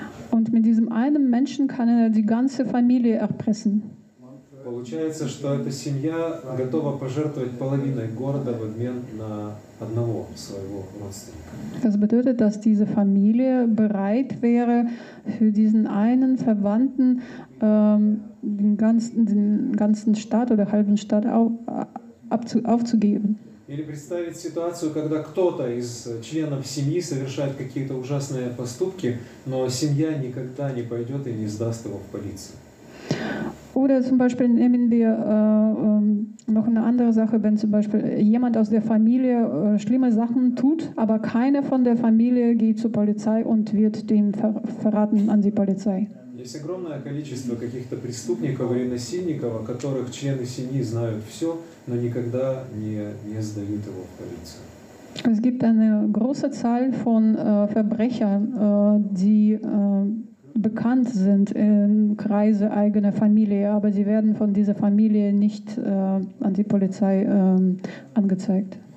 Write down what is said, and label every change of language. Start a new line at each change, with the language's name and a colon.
German: Und mit diesem einen Menschen kann er die ganze Familie erpressen.
Russian: Получается, что эта семья готова пожертвовать половиной города в обмен на одного своего родственника.
German: Das bedeutet, dass diese Familie bereit wäre, für diesen einen Verwandten den ganzen Staat oder halben Staat aufzugeben.
Russian: Или представить ситуацию, когда кто-то из членов семьи совершает какие-то ужасные поступки, но семья никогда не пойдет и не сдаст его в полицию.
German: Oder zum Beispiel nehmen wir noch eine andere Sache, wenn zum Beispiel jemand aus der Familie schlimme Sachen tut, aber keiner von der Familie geht zur Polizei und wird den verraten an die Polizei.
Russian: Есть огромное количество каких-то преступников или насильников, о которых члены семьи знают все, но никогда не сдают его в полицию.
German: Es gibt eine große Zahl von Verbrechern, die bekannt sind in Kreise eigener Familie, aber sie werden von dieser Familie nicht an die Polizei angezeigt.